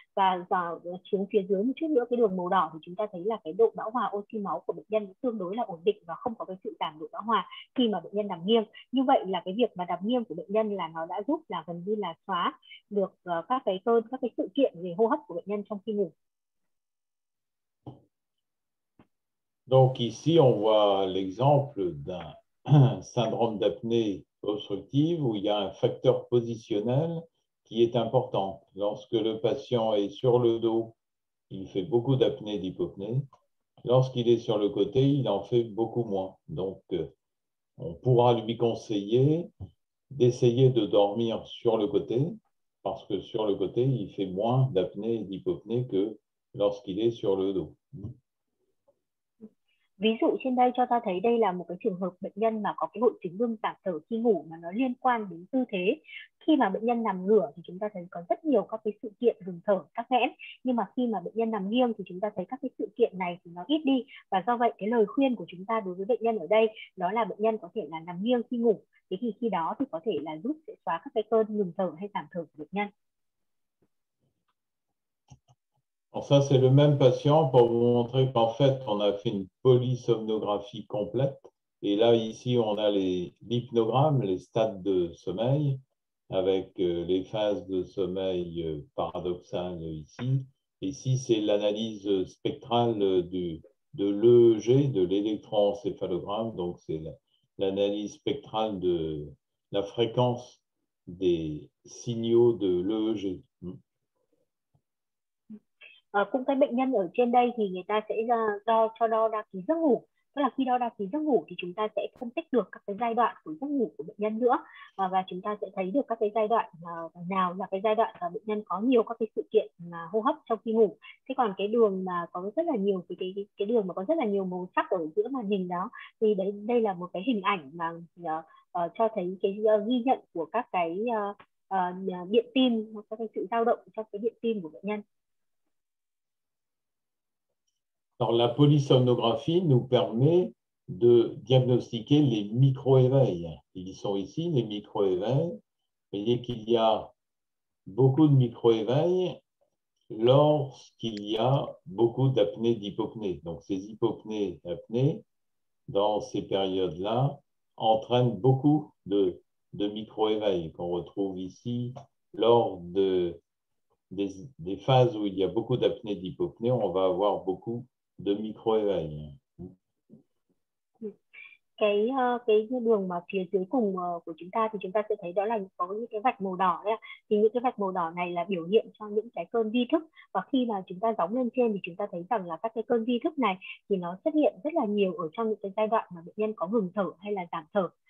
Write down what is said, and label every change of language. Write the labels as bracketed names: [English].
[Vietnamese] Và xuống phía dưới một chút nữa, cái đường màu đỏ, thì chúng ta thấy là cái độ bão hòa oxy máu của bệnh nhân tương đối là ổn định và không có cái sự giảm độ bão hòa khi mà bệnh nhân nằm nghiêng. Như vậy là cái việc mà nằm nghiêng của bệnh nhân là nó đã giúp là gần như là xóa được các cái cơn, các cái sự kiện về hô hấp của bệnh nhân trong khi ngủ. [French] Donc ici, on voit l'exemple d'un syndrome d'apnée obstructive où il y a un facteur positionnel qui est important. Lorsque le patient est sur le dos, il fait beaucoup d'apnée, d'hypopnée. Lorsqu'il est sur le côté, il en fait beaucoup moins. Donc, on pourra lui conseiller d'essayer de dormir sur le côté, parce que sur le côté, il fait moins d'apnée et d'hypopnée que lorsqu'il est sur le dos. [Vietnamese] Ví dụ trên đây cho ta thấy đây là một cái trường hợp bệnh nhân mà có cái hội chứng ngưng giảm thở khi ngủ mà nó liên quan đến tư thế. Khi mà bệnh nhân nằm ngửa thì chúng ta thấy có rất nhiều các cái sự kiện ngừng thở tắc nghẽn, nhưng mà khi mà bệnh nhân nằm nghiêng thì chúng ta thấy các cái sự kiện này thì nó ít đi. Và do vậy cái lời khuyên của chúng ta đối với bệnh nhân ở đây đó là bệnh nhân có thể là nằm nghiêng khi ngủ, thế thì khi đó thì có thể là giúp sẽ xóa các cái cơn ngừng thở hay giảm thở của bệnh nhân. [French] Alors ça, c'est le même patient pour vous montrer qu'en fait, on a fait une polysomnographie complète. Et là, ici, on a l'hypnogramme, les stades de sommeil, avec les phases de sommeil paradoxales ici. Ici, c'est l'analyse spectrale de l'EEG, de l'électroencéphalogramme. Donc, c'est l'analyse spectrale de la fréquence des signaux de l'EEG. [Vietnamese] cũng cái bệnh nhân ở trên đây thì người ta sẽ đo đa ký giấc ngủ. Tức là khi đo đa ký giấc ngủ thì chúng ta sẽ phân tích được các cái giai đoạn của giấc ngủ của bệnh nhân nữa, và chúng ta sẽ thấy được các cái giai đoạn nào là cái giai đoạn mà bệnh nhân có nhiều các cái sự kiện hô hấp trong khi ngủ. Thế còn cái đường mà có rất là nhiều cái đường mà có rất là nhiều màu sắc ở giữa màn hình đó, thì đấy, đây là một cái hình ảnh mà cho thấy cái ghi nhận của các cái điện tim, các cái sự dao động trong cái điện tim của bệnh nhân. [French] Alors, la polysomnographie nous permet de diagnostiquer les micro-éveils. Ils sont ici, les micro-éveils. Vous voyez qu'il y a beaucoup de micro-éveils lorsqu'il y a beaucoup d'apnée d'hypopnée. Donc, ces hypopnées d'apnée, dans ces périodes-là, entraînent beaucoup de micro-éveils qu'on retrouve ici lors des phases où il y a beaucoup d'apnée d'hypopnée. On va avoir beaucoup de micro-éveil. [Vietnamese] Cái đường mà phía dưới cùng của chúng ta thì chúng ta sẽ thấy đó là có những cái vạch màu đỏ đấy. Thì những cái vạch màu đỏ này là biểu hiện cho những cái cơn vi thức, và khi mà chúng ta gióng lên trên thì chúng ta thấy rằng là các cái cơn vi thức này thì nó xuất hiện rất là nhiều ở trong những cái giai đoạn mà bệnh nhân có ngừng thở hay là giảm thở.